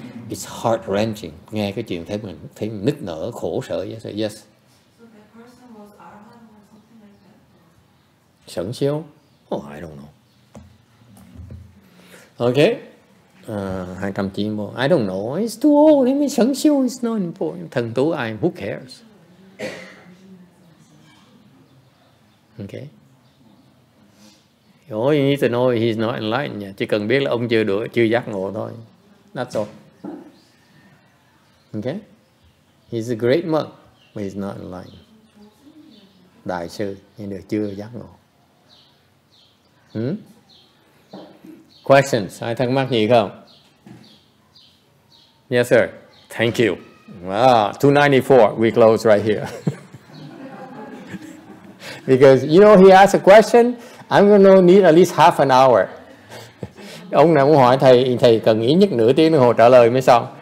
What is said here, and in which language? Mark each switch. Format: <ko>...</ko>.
<en>It's heart wrenching.</en> <vi>Nghe cái chuyện thấy mình nức nở khổ sở.</vi> <en>Yes. So that person was arahant or something like that. Sẵn siêu. Oh, I don't know. Okay. 291. I don't know. It's too old. I mean, sáng siêu is not important. Thần tú ai? Who cares? Okay. All you need to know is he's not enlightened yet.</en> <vi>Chỉ cần biết là ông chưa giác ngộ thôi.</vi> <en>That's all. Okay. He's a great monk, but he's not enlightened.</en> <vi>Đại sư, nhưng được chưa giác ngộ.</vi> <en>Questions?</en> <vi>Ai thắc mắc gì không?</vi> <en>Yes, sir. Thank you. 294. We close right here. Because, you know, he asked a question. I'm going to need at least half an hour.</en> <vi>Ông này muốn hỏi thầy cần ít nhất nửa tiếng đồng hồ trả lời mới xong.</vi>